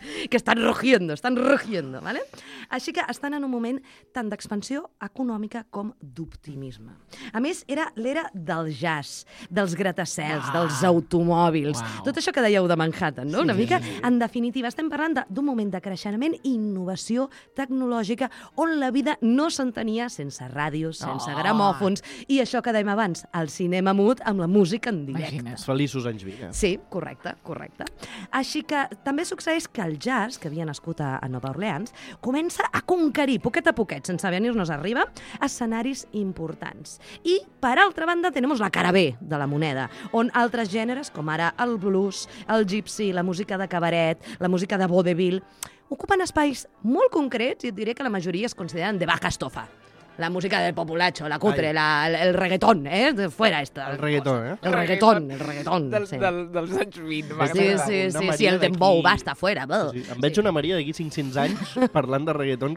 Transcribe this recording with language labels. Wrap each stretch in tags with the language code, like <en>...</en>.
<es>Que estan rugiendo, ¿vale?</es> <ca>Així que estan en un moment tant d'expansió econòmica com d'optimisme. A més, era l'era del jazz, dels gratacels, dels automòbils, tot això que dèieu de Manhattan, no? En definitiva, estem parlant d'un moment de creixement i innovació tecnològica on la vida no s'entenia sense ràdios, sense gramòfons, i això que dèiem abans, el cinema mut amb la música en directe. Imagina't, feliços anys 20. Sí, correcte. Així que també succeeix que el jazz, que havia nascut a Nova Orleans, comença a conquerir poquet a poquet, sense venir-nos arriba, escenaris importants. I, per altra banda,</ca> <es>tenemos</es> <ca>la cara B de la moneda, on altres gèneres, com ara el blues, el gypsy, la música de cabaret, la música de vaudeville, ocupen espais molt concrets i et diré que la majoria es consideren</ca> <es>de baja estofa. La música del populacho, la cutre, el reggaetón, ¿eh? De fuera esta. El reggaetón, ¿eh? El reggaetón.</es> <ca>Dels anys 20.</ca> <es>Sí, el dembow, basta, fuera. Sí, sí.</es> <ca>Em veig una Maria d'aquí 500 anys parlant de reggaetón</ca>